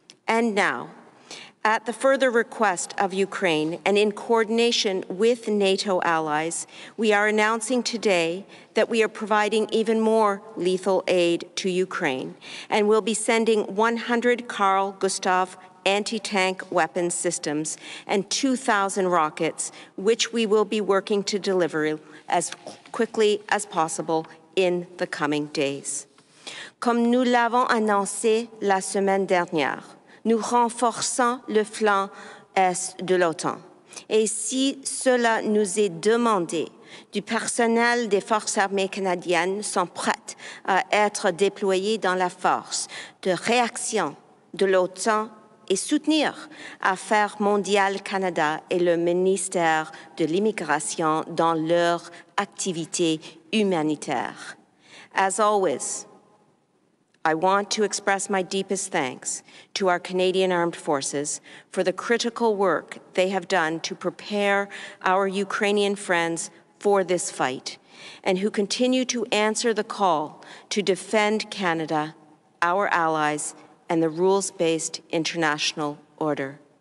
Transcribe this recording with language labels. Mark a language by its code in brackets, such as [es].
[en] And now, at the further request of Ukraine and in coordination with NATO allies, we are announcing today that we are providing even more lethal aid to Ukraine and will be sending 100 Carl Gustav anti-tank weapons systems and 2,000 rockets, which we will be working to deliver as quickly as possible in the coming days. [fr] Comme nous l'avons annoncé la semaine dernière, nous renforçons le flanc est de l'OTAN. Et si cela nous est demandé, du personnel des forces armées canadiennes sont prêtes à être déployés dans la force de réaction de l'OTAN et soutenir Affaires mondiales Canada et le ministère de l'Immigration dans leur activité humanitaire. [en] As always, I want to express my deepest thanks to our Canadian Armed Forces for the critical work they have done to prepare our Ukrainian friends for this fight, and who continue to answer the call to defend Canada, our allies, and the rules-based international order.